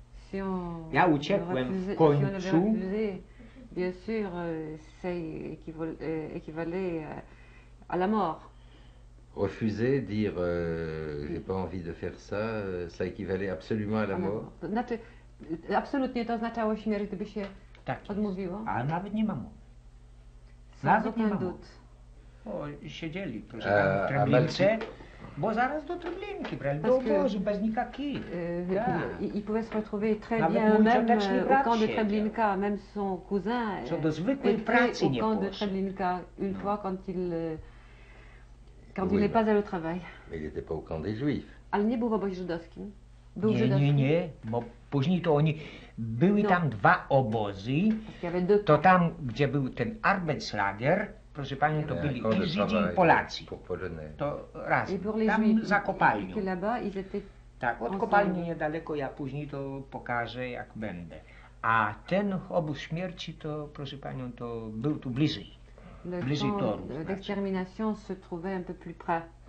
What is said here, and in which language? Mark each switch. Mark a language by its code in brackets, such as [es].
[fr] Si on refusait, bien sûr, c'est équivalent à la mort. Refuser, dire j'ai pas envie de faire ça, ça équivalait absolument à la mort. [pl] Znaczy, absolutnie to oznaczało śmierć, gdyby się odmówiło. A nawet nie mam. [fr] Sans aucun doute. [pl] O, siedzieli, proszę pana, w Treblince. Bo zaraz do Treblinki, brali do obozu, bez nikaki. [fr] I pouvait se retrouver très bien, même au camp de Treblinka, même son cousin. [pl] Co do zwykłej pracy nie poszło. [fr] Au camp de Treblinka, une fois quand il n'est pas allé au travail. Mais il n'était pas au camp des Juifs. [pl] Ale nie był w obozie żydowskim. Był żydowski. Nie, nie, bo później to oni... Były tam dwa obozy, to tam, gdzie był ten Arbeitslager, proszę panią, to byli i Żydzi, i Polacy. To raz. Tam za kopalnią. Tak, od kopalni niedaleko, ja później to pokażę, jak będę. A ten obóz śmierci, to proszę panią, to był tu bliżej. Bliżej toru. [fr] L'extermination se trouvait un peu plus près.